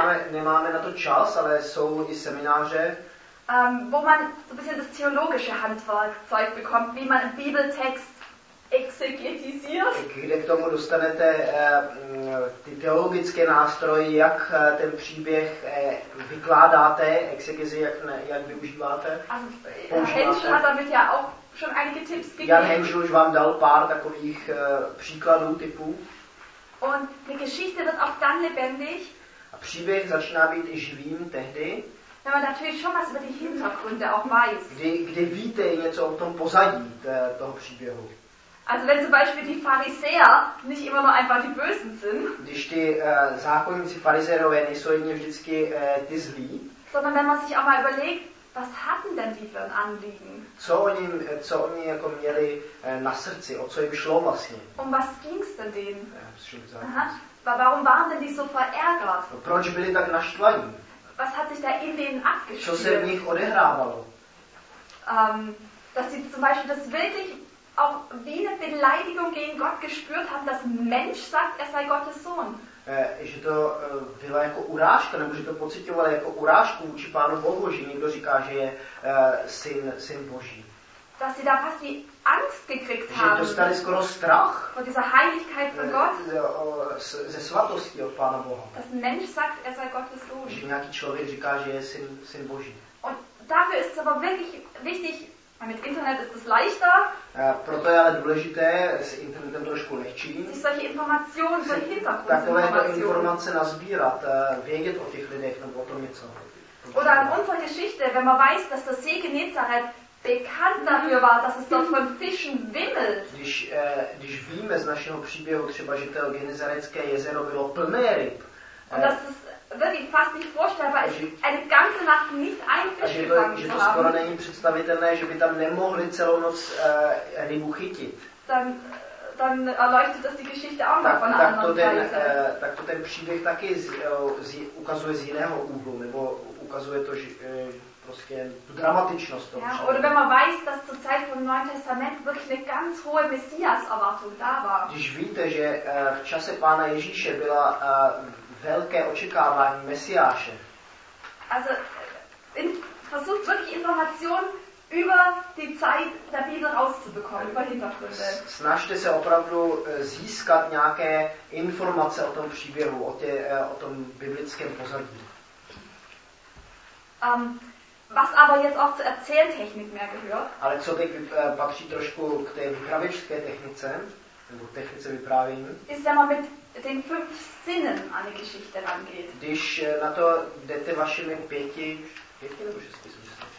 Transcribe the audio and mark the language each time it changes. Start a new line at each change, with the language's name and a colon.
Czech: Nemáme na to čas, ale jsou i semináře.
German: Wo man so ein bisschen das theologische Handwerkzeug bekommt, wie man einen Bibeltext exegetisiert.
Czech: Kde k tomu dostanete ty teologické nástroje, jak ten příběh vykládáte, exegezi, jak využíváte?
German: Henschel hat damit ja auch schon einige Tipps gegeben.
Czech: Jan Henschel už vám dal pár takových příkladů, typů.
German: Und die Geschichte wird auch dann lebendig.
Czech: A příběh začíná být i živým tehdy.
German: Wenn man natürlich schon was über die Hintergründe auch weiß.
Czech: Kde víte něco o tom pozadí toho příběhu.
German: Also wenn zum Beispiel die Pharisäer nicht immer nur einfach die Bösen sind.
Czech: Když ty zákonníci farizerové nejsou jedině vždycky ty zlí.
German: Sondern wenn man sich auch mal überlegt, was hatten denn die für ein Anliegen?
Czech: Co oni jako měli na srdci, o co jim šlo vlastně.
German: Um was ging's denn denen? Aha. Warum waren denn die so verärgert?
Czech: Proč byli tak naštvaní?
German: Was hat sich da in denen abgespielt?
Czech: Co se v nich odehrávalo?
German: Dass sie zum Beispiel das wirklich auch wie eine Beleidigung gegen Gott gespürt haben, dass ein Mensch sagt, er sei Gottes Sohn.
Czech: Že to byla jako urážka, nebo že to pocitovali jako urážku vůči Pánu Bohu, že někdo říká, že je syn Boží.
German: Dass sie da fast die Angst gekriegt haben.
Czech: Že dostali skoro strach.
German: Von dieser Heiligkeit von Gott.
Czech: Ze svatosti od Pána Boha.
German: Dass ein Mensch sagt, er sei Gottes Sohn.
Czech: Že nějaký člověk říká, že je syn Boží.
German: Und dafür ist es aber wirklich wichtig, mit Internet ist es leichter.
Czech: Proto je ale důležité, s internetem trošku lehčí.
German: Sich solche Informationen, solche Hintergrundinformationen.
Czech: Takovéto informace nazbírat, vědět o těch lidech nebo o tom něco.
German: Oder an unserer Geschichte, wenn man weiß, dass das See Genezareth bekannt dafür war, dass es dort von Fischen wimmelt.
Czech: Když víme z našeho příběhu třeba, že to Genezarecké jezero bylo plné ryb.
German: Und das ist wirklich fast nicht vorstellbar, es ist eine ganze Nacht nicht ein Fisch gefangen zu haben.
Czech: Že to skoro není představitelné, že by tam nemohli celou noc rybu chytit.
German: Dann erleuchtet das die Geschichte auch noch von einer anderen Seite.
Czech: Tak to ten příběh taky ukazuje z jiného úhlu, nebo ukazuje to, prostě dramatičnost toho.
German: Ja, oder wenn man weiß, dass zur Zeit vom Neuen Testament wirklich eine ganz hohe Messias-Erwartung da war.
Czech: Když víte, že v čase Pána Ježíše byla velké očekávání Mesiáše.
German: Also versucht wirklich Informationen über die Zeit der Bibel rauszubekommen, über Hintergründe.
Czech: Snažte se opravdu získat nějaké informace o tom příběhu, o tom biblickém pozadí.
German: Was aber jetzt auch zur Erzähltechnik mehr gehört.
Czech: Ale co teď patří trošku k té vypravěčské technice, nebo technice vyprávění.
German: Ist, wenn man mit den fünf Sinnen an die Geschichte rangeht.
Czech: Když na to jdete vašimi pěti nebo šesti smysly.